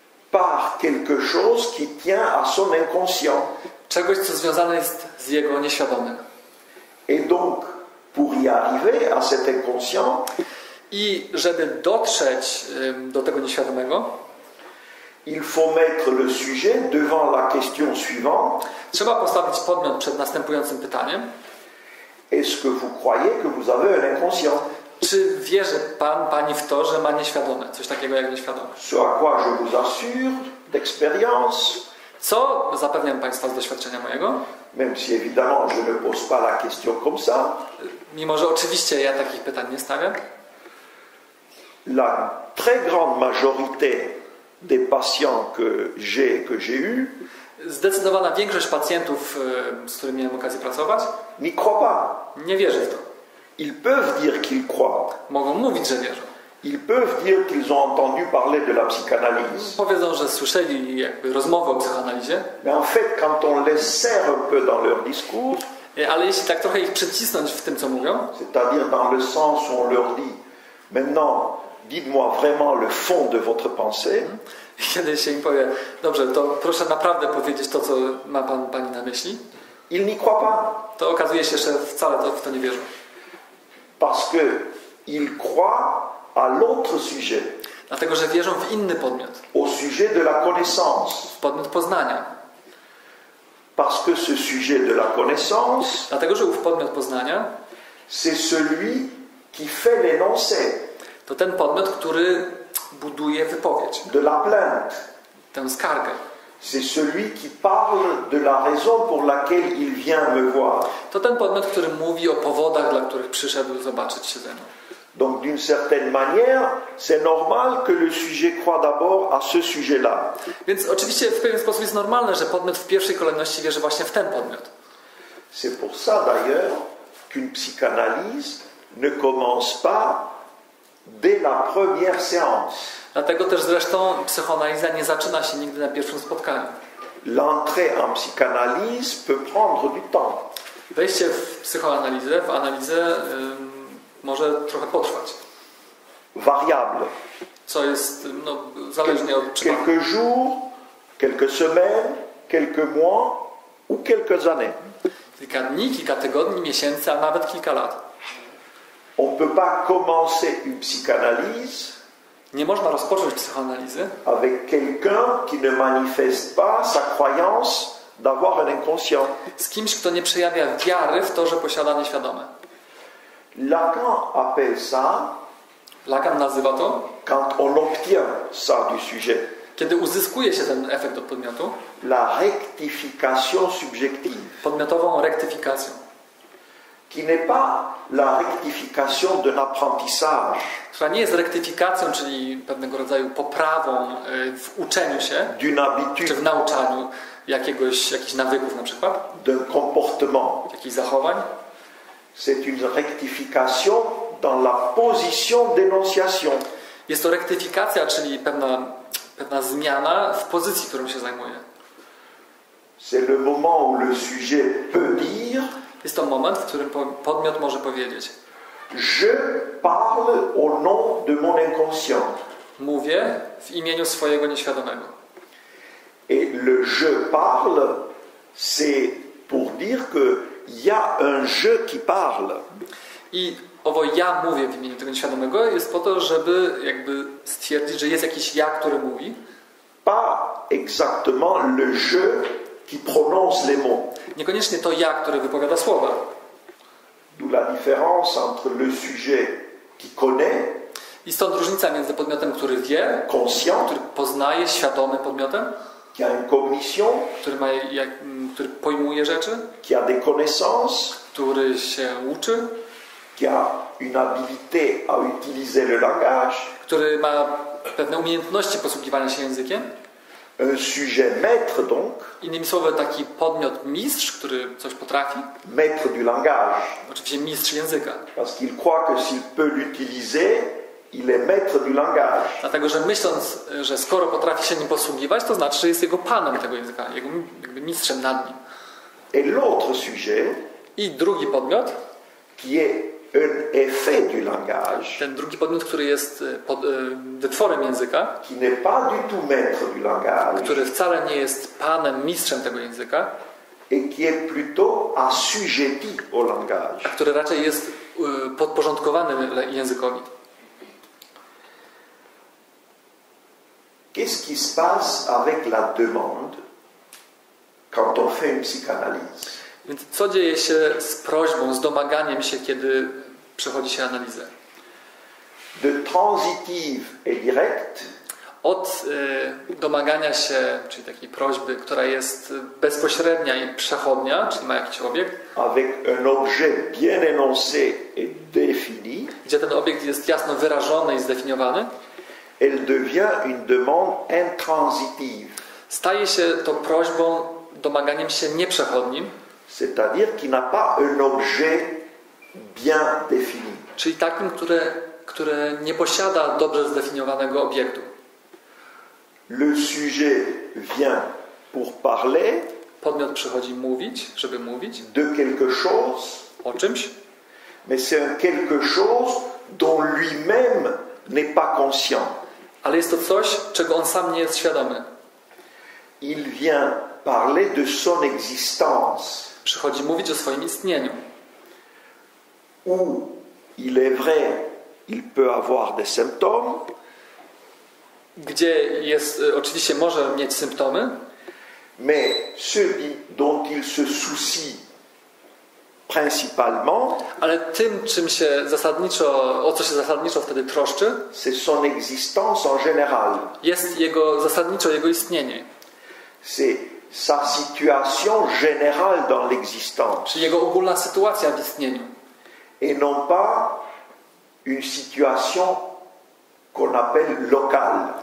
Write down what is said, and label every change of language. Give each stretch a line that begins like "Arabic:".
French: par quelque chose qui tient à son inconscient.
Polish: Czegoś, co związane jest z jego nieświadomym.
French: Et donc, pour y arriver à cet inconscient,
Polish: i żeby dotrzeć do tego nieświadomego,
French: il faut mettre le sujet devant la question suivante.
Polish: Trzeba postawić podmiot przed następującym pytaniem.
French: Est-ce que vous croyez que vous avez un inconscient?
Polish: czy wierzy pan, pani w to, że ma nieświadome, coś takiego jak nieświadome?
French: Ce à quoi je vous assure, d'expérience.
Polish: Co zapewniam państwa z doświadczenia mojego?
French: Même si évidemment je ne pose pas la question comme ça.
Polish: Mimo że oczywiście ja takich pytań nie stawiam.
French: La très grande majorité des patients que j'ai eu.
Polish: Zdecydowana większość pacjentów, z którymi miałem okazję pracować,
French: n'y croit pas.
Polish: Nie wierzy w to.
French: Ils peuvent dire qu'ils croient.
Polish: Mogą mówić, że wierzą.
French: Ils peuvent dire qu'ils ont entendu parler de la psychanalyse.
Polish: Powiedzą, że słyszeli jakby rozmowę o psychanalizie.
French: Mais en fait, quand on les serre un peu dans leur discours,
Polish: ale jeśli tak trochę ich przycisnąć w tym, co mówią,
French: c'est-à-dire dans le sens où on leur dit, maintenant, dites-moi vraiment le fond de votre pensée.
Polish: Kiedy się im powie, dobrze, to proszę naprawdę powiedzieć to, co ma pan, pani na myśli.
French: Ils n'y croient pas.
Polish: To okazuje się, że wcale w to nie wierzą.
French: Parce que ils croient à l'autre sujet.
Polish: Dlatego, że wierzą w inny podmiot.
French: Au sujet de la connaissance.
Polish: W podmiot poznania.
French: Parce que ce sujet de la connaissance.
Polish: Dlatego, że ów podmiot poznania.
French: C'est celui qui fait l'énoncé.
Polish: To ten podmiot, który buduje wypowiedź.
French: De la plainte.
Polish: Tę skargę.
French: C'est celui qui parle de la raison pour laquelle il vient me voir.
Polish: To ten podmiot, który mówi o powodach, dla których przyszedł zobaczyć się ze mną.
French: Donc d'une certaine manière, c'est normal que le sujet croit d'abord à ce sujet-là.
Polish: Więc oczywiście w pewien sposób jest normalne, że podmiot w pierwszej kolejności wierzy właśnie w ten podmiot.
French: C'est pour ça d'ailleurs qu'une psychanalyse ne commence pas dès la première séance.
Polish: Dlatego też zresztą psychoanaliza nie zaczyna się nigdy na pierwszym spotkaniu.
French: L'entrée en psychanalyse peut prendre du temps.
Polish: Wejście w psychoanalizę, w analizę może trochę potrwać.
French: Variable.
Polish: Co jest, no, zależnie od przypadku.
French: Quelques jours, quelques semaines, quelques mois ou quelques années.
Polish: Kilka dni, kilka tygodni, miesięcy, a nawet kilka lat.
French: On peut pas commencer une psychanalyse.
Polish: Nie można rozpocząć psychoanalizy
French: avec quelqu'un qui ne manifeste pas sa croyance d'avoir un inconscient.
Polish: Z kimś, kto nie przejawia wiary w to, że posiada nieświadome.
French: Lacan appelle ça.
Polish: Lacan nazywa to.
French: Quand on obtient ça du sujet.
Polish: Kiedy uzyskuje się ten efekt od podmiotu.
French: La rectification subjective.
Polish: Podmiotową rektyfikacją.
French: Qui n'est pas la rectification d'un apprentissage.
Polish: Która nie jest rektyfikacją, czyli pewnego rodzaju poprawą w uczeniu się,
French: d'une habitude,
Polish: czy w nauczaniu jakichś nawyków na przykład,
French: d'un comportement.
Polish: Jakichś zachowań.
French: C'est une rectification dans la position d'énonciation.
Polish: Jest to rektyfikacja, czyli pewna zmiana w pozycji, którą się zajmuje.
French: C'est le moment où le sujet peut dire.
Polish: Jest to moment, w którym podmiot może powiedzieć:
French: je parle au nom de mon inconscient.
Polish: Mówię w imieniu swojego nieświadomego.
French: Et le je parle, c'est pour dire que il y a un je qui parle.
Polish: I owo ja mówię w imieniu tego nieświadomego jest po to, żeby jakby stwierdzić, że jest jakiś ja, który mówi.
French: Pas exactement le je qui prononce les mots.
Polish: Niekoniecznie to ja, który wypowiada słowa.
French: D'où la différence entre le sujet qui connaît.
Polish: I stąd różnica między podmiotem, który wie,
French: conscient,
Polish: który poznaje, świadomym podmiotem,
French: qui a une cognition,
Polish: który pojmuje rzeczy,
French: qui a des connaissances,
Polish: który się uczy,
French: qui a une habilité à utiliser le langage,
Polish: który ma pewne umiejętności posługiwania się językiem.
French: Un sujet maître donc.
Polish: Innymi słowy, taki podmiot mistrz, który coś potrafi.
French: Maître du langage.
Polish: Oczywiście mistrz języka.
French: Parce qu'il croit que s'il peut l'utiliser, il est maître du langage.
Polish: Dlatego, że myśląc, że skoro potrafi się nim posługiwać, to znaczy, że jest jego panem tego języka, jego jakby mistrzem nad nim.
French: Et l'autre sujet.
Polish: I drugi podmiot.
French: Qui est un effet du langage.
Polish: Ten drugi podmiot, który jest wytworem języka,
French: qui n'est pas du tout maître du langage,
Polish: który wcale nie jest panem, mistrzem tego języka,
French: et qui est plutôt assujetti au langage,
Polish: a który raczej jest podporządkowany językowi.
French: Qu'est-ce qui se passe avec la demande quand on fait une psychanalyse?
Polish: Więc co dzieje się z prośbą, z domaganiem się, kiedy przechodzi się analizę?
French: de transitive et directe,
Polish: od domagania się, czyli takiej prośby, która jest bezpośrednia i przechodnia, czyli ma jakiś obiekt,
French: avec un objet bien énoncé et défini,
Polish: gdzie ten obiekt jest jasno wyrażony i zdefiniowany,
French: elle devient une demande intransitive.
Polish: Staje się to prośbą, domaganiem się nieprzechodnim,
French: c'est-à-dire qui n'a pas un objet bien défini.
Polish: Czyli takim, które nie posiada dobrze zdefiniowanego obiektu.
French: Le sujet vient pour parler.
Polish: Podmiot przychodzi mówić, żeby mówić.
French: De quelque chose.
Polish: O czymś.
French: Mais c'est un quelque chose dont lui-même n'est pas conscient.
Polish: Ale jest to coś, czego on sam nie jest świadomy.
French: Il vient parler de son existence.
Polish: Przychodzi mówić o swoim istnieniu.
French: Où il est vrai, il peut avoir des symptômes.
Polish: Gdzie jest, oczywiście może mieć symptomy.
French: Mais ce dont il se soucie principalement,
Polish: ale tym, czym się zasadniczo, o co się zasadniczo wtedy troszczy,
French: c'est son existence en général.
Polish: Jest jego zasadniczo jego istnienie.
French: C'est sa situation générale dans l'existence.
Polish: Czyli jego ogólna sytuacja w istnieniu.
French: Et non pas une situation qu'on appelle locale.